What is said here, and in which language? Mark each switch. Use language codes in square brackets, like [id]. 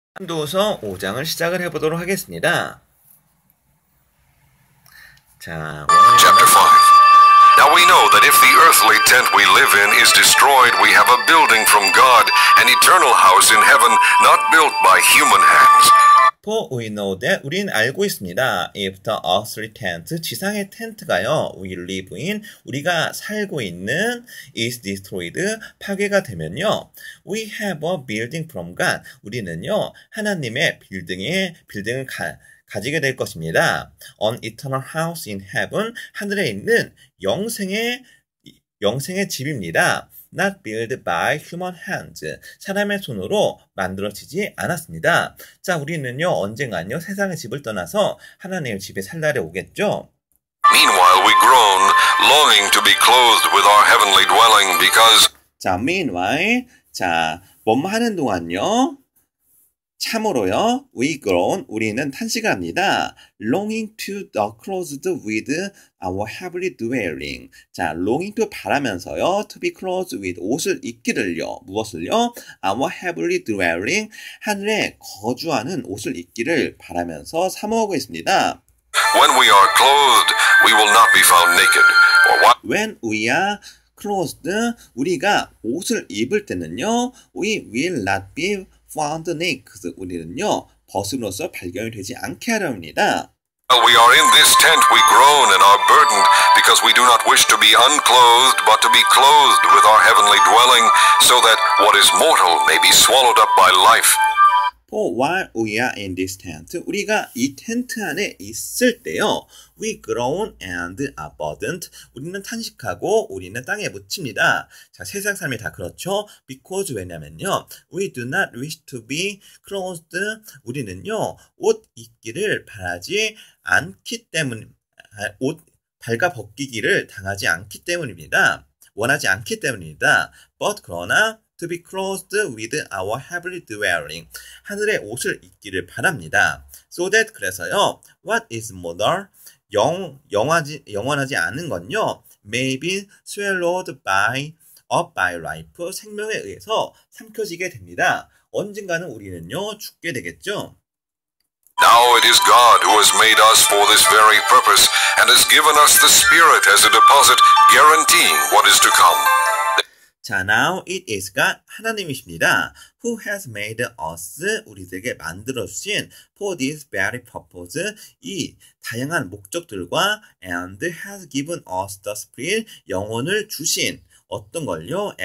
[ko] 판도서 5장을 시작을 해보도록 하겠습니다. 자, 원을 [en] Chapter 5. Now we know that if the earthly tent we live in is destroyed, we have a building from God, an eternal house in heaven, not built by human hands. For we know that, [ko] 우린 알고 있습니다. [en] If the earthly tent, [ko] 지상의 텐트가요, [en] we live in, [ko] 우리가 살고 있는, [en] is destroyed, [ko] 파괴가 되면요. [en] We have a building from God. [ko] 우리는요, 하나님의 빌딩을 가지게 될 것입니다. [en] An eternal house in heaven, [ko] 하늘에 있는 영생의 집입니다. [en] Not built by human hands. [ko] 사람의 손으로 만들어지지 않았습니다. 자, 우리는요, 언젠가는요, 세상의 집을 떠나서 하나님의 집에 살 날이 오겠죠? [en] Meanwhile, we groan, longing to be clothed with our heavenly dwelling because [ko] 자, meanwhile. 자, 뭐뭐 하는 동안요? 참으로요, [en] we groan, [ko] 우리는 탄식합니다. [en] Longing to the clothed with our heavenly dwelling. 자, longing to [ko] 바라면서요, [en] to be clothed with [ko] 옷을 입기를요, 무엇을요? [en] Our heavenly dwelling, [ko] 하늘에 거주하는 옷을 입기를 바라면서 사모하고 있습니다. [en] When we are clothed, we will not be found naked. When we are clothed, [ko] 우리가 옷을 입을 때는요, [en] we will not be found naked. [ko] 우리는요, 벗으로서 발견이 되지 않게 하려 합니다. [en] We are in this tent, we groan and are burdened because we do not wish to be unclothed, but to be clothed with our heavenly dwelling, so that what is mortal may be swallowed up by life. For while we are in this tent, [ko] 우리가 이 텐트 안에 있을 때요, [en] we groan and are burdened. [ko] 우리는 탄식하고 우리는 땅에 묻힙니다. 자, 세상 삶이 다 그렇죠? [en] Because [ko] 왜냐면요, [en] we do not wish to be clothed. [ko] 우리는요, 옷 입기를 바라지 않기 때문, 옷 밟아 벗기기를 당하지 않기 때문입니다. 원하지 않기 때문입니다. [en] But [ko] 그러나 [en] To be clothed with our heavenly dwelling. [ko] 하늘의 옷을 입기를 바랍니다. [en] So that, [ko] 그래서요, [en] what is mortal? [ko] 영원하지 않은 건요, [en] may be swallowed up by life. [ko] 생명에 의해서 삼켜지게 됩니다. 언젠가는 우리는요, 죽게 되겠죠. [en] Now it is God who has made us for this very purpose and has given us the Spirit as a deposit, guaranteeing what is to come. 자, now it is God, [ko] 하나님이십니다. [en] Who has made us, [ko] 우리들에게 만들어주신 [en] for this very purpose, [ko] 이 다양한 목적들과 [en] and has given us the spirit, [ko] 영혼을 주신 어떤 걸요?